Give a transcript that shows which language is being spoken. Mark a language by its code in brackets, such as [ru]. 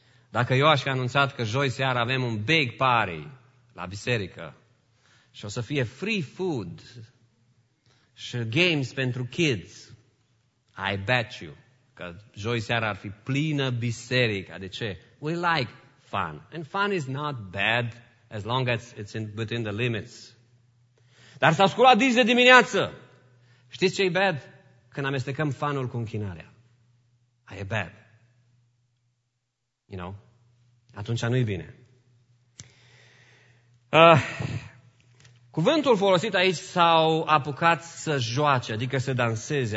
[ro] Dacă eu aș fi anunțat că joi seara avem un big party la biserică și o să fie free food și games pentru kids, [en] I bet you [ro] că joi seara ar fi plină biserica. De ce? [en] We like fun. And fun is not bad as long as it's in between the limits. [ro] Dar s-a sculat dis de dimineață. Știți ce e bad? Când amestecăm fanul cu închinarea. Aia e bad. [en] You know? [ro] Atunci nu-i bine. Cuvântul folosit aici, s-au apucat să joace, adică să danseze.